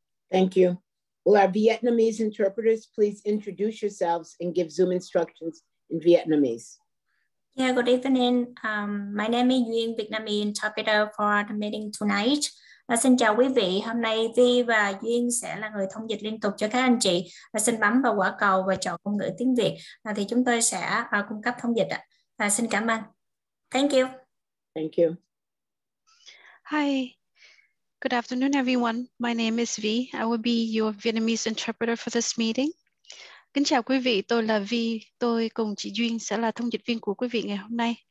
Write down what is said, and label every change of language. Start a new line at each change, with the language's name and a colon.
English: Thank you. Will our Vietnamese interpreters please introduce yourselves and give Zoom instructions in Vietnamese? Yeah, good evening. My name is Nguyen, Vietnamese interpreter for the meeting tonight.
Vietnamese: Xin chào quý vị. Hôm nay Vi và Nguyen sẽ là người thông dịch liên tục cho các anh chị. Xin bấm vào quả cầu và chọn ngôn ngữ tiếng Việt. Thì chúng tôi sẽ cung cấp thông dịch. Xin cảm ơn.
English: Thank you. Thank you. Hi, good afternoon, everyone. My name is Vi. I will be your Vietnamese interpreter for this meeting.
Vietnamese: Kính chào quý vị, tôi là Vi. Tôi cùng chị Duyên sẽ là thông dịch viên của quý vị ngày hôm nay.